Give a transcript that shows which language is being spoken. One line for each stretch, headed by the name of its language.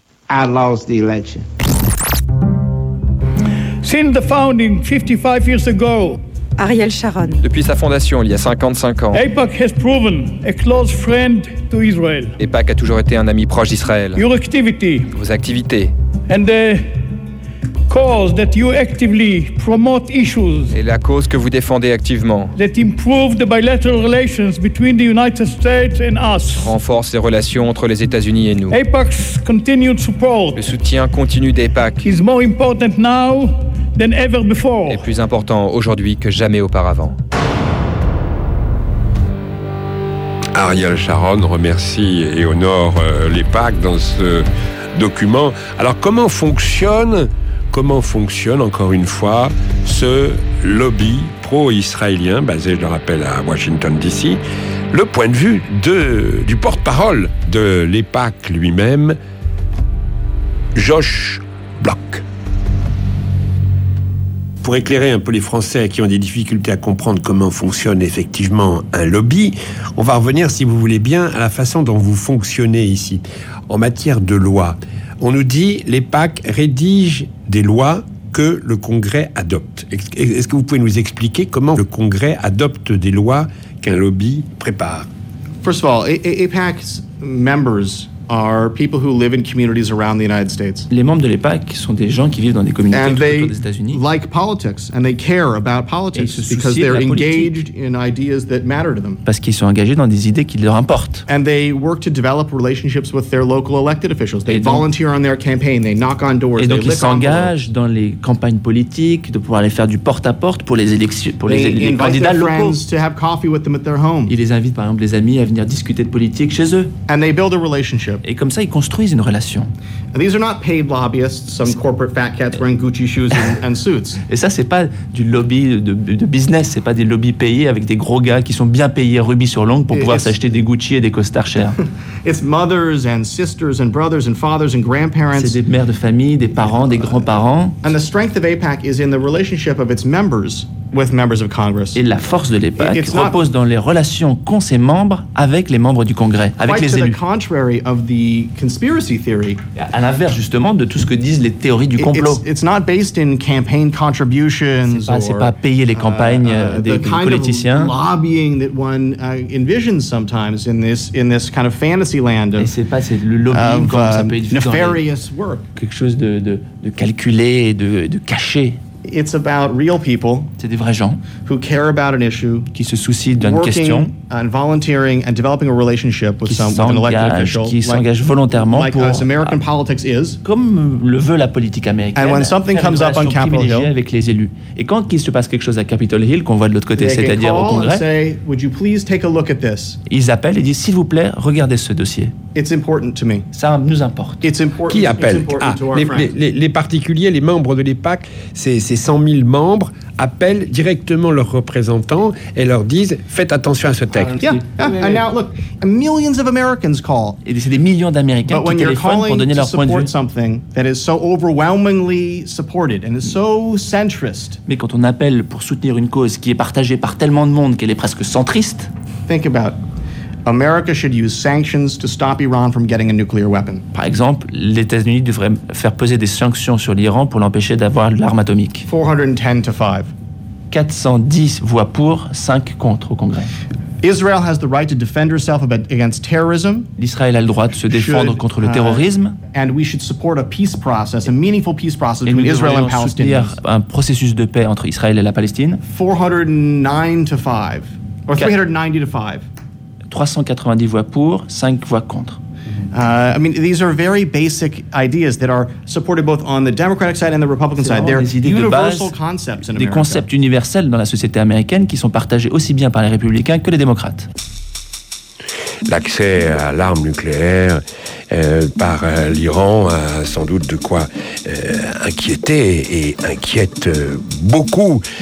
English: I lost the election. Since the founding 55 years ago, Ariel Sharon.
French: Depuis sa fondation il y a 55 ans,
English: AIPAC has proven a close friend to Israel.
French: AIPAC a toujours été un ami proche d'Israël.
English: Your activity,
French: vos activités,
English: and the cause that you actively promote issues,
French: et la cause que vous défendez activement,
English: that improve the bilateral relations between the United States and us,
French: renforce les relations entre les États-Unis et nous.
English: AIPAC's continued support,
French: le soutien continu d'AIPAC,
English: is more important now than ever before,
French: est plus important aujourd'hui que jamais auparavant. Ariel Sharon remercie et honore l'AIPAC dans ce document. Alors comment fonctionne, encore une fois, ce lobby pro-israélien, basé, je le rappelle, à Washington, D.C., le point de vue du porte-parole de l'AIPAC lui-même, Josh Block. Pour éclairer un peu les Français qui ont des difficultés à comprendre comment fonctionne effectivement un lobby, on va revenir, si vous voulez bien, à la façon dont vous fonctionnez ici. En matière de loi, on nous dit que l'AIPAC rédige des lois que le Congrès adopte. Est-ce que vous pouvez nous expliquer comment le Congrès adopte des lois qu'un lobby prépare ?
English: First of all, AIPAC's members are people who live in communities around the United States.
French: Les membres de l'AIPAC sont des gens qui vivent dans des communautés autour des États-Unis.
English: Like politics and they care about politics because they're engaged in ideas that matter to them.
French: Parce qu'ils sont engagés dans des idées qui leur importent.
English: And they work to develop relationships with their local elected officials. They volunteer on their campaign, they knock on doors, they lick on doors.
French: Et donc ils s'engagent dans les campagnes politiques, de pouvoir aller faire du porte-à-porte pour les élections, pour les candidats locaux.
English: They invite friends to have coffee with them at their home.
French: Ils les invitent par exemple les amis à venir discuter de politique chez eux.
English: And they build a relationship.
French: Et comme ça, ils construisent une relation.
English: These are not paid lobbyists, some corporate fat cats wearing Gucci shoes and suits.
French: Et ça, c'est pas du lobby de business. C'est pas des lobbies payés avec des gros gars qui sont bien payés rubis sur l'ongle pour pouvoir s'acheter des Gucci et des costards chers.
English: It's mothers and sisters and brothers and fathers and grandparents.
French: C'est des mères de famille, des parents, des grands-parents.
English: And the strength of AIPAC is in the relationship of its members. with members of Congress.
French: Et la force de l'EPAC repose dans les relations qu'ont ses membres avec les membres du Congrès, avec les élus.
English: To the contrary of the conspiracy theory.
French: À l'inverse justement de tout ce que disent les théories du complot.
English: It's not based in campaign contributions.
French: C'est pas payer les campagnes des politiciens.
English: The kind of lobbying that one envisions sometimes in this kind of fantasy land.
French: Et c'est pas c'est le lobbying comme ça peut être
English: nefarious work.
French: Quelque chose de calculé et de caché.
English: It's about real people.
French: C'est des vrais gens
English: who care about an issue,
French: qui se soucient d'une question,
English: and volunteering and developing a relationship with some with an elected official,
French: qui s'engage volontairement
English: like
French: pour
English: us American politics is,
French: comme le veut la politique américaine.
English: And when something comes up on Capitol Hill,
French: avec les élus. Et quand il se passe quelque chose à Capitol Hill qu'on voit de l'autre côté, c'est-à-dire au Congrès,
English: say, would you please take a look at this?
French: Ils appellent et disent s'il vous plaît, regardez ce dossier.
English: It's important to me.
French: Ça nous importe.
English: It's important.
French: Qui appelle? Les particuliers, les membres de l'EPAC, ces 100 000 membres appellent directement leurs représentants et leur disent faites attention à ce texte.
English: Yeah. And now look, millions of Americans call.
French: Et c'est des millions d'Américains qui téléphonent pour donner leur point de vue.
English: Something that is so overwhelmingly supported and is so centrist.
French: Mais quand on appelle pour soutenir une cause qui est partagée par tellement de monde qu'elle est presque centriste.
English: Think about America should use sanctions to stop Iran from getting a nuclear weapon.
French: Par exemple, les États-Unis devraient faire peser des sanctions sur l'Iran pour l'empêcher d'avoir l'arme atomique.
English: 410 to 5.
French: 410 voix pour, 5 contre au Congrès.
English: Israel has the right to defend herself against terrorism.
French: L'Israël a le droit de se défendre contre le terrorisme.
English: And we should support a peace process, a meaningful peace process between Israel and Palestine.
French: Et nous devrions soutenir un processus de paix entre Israël et la Palestine.
English: 409 to 5. Or 390 to 5.
French: 390 voix pour, 5 voix contre.
English: I mean, these are very basic ideas that are supported both on the Democratic side and the Republican side. They're universal concepts in America.
French: Des concepts universels dans la société américaine qui sont partagés aussi bien par les républicains que les démocrates. L'accès à l'arme nucléaire par l'Iran a sans doute de quoi inquiéter et inquiète beaucoup.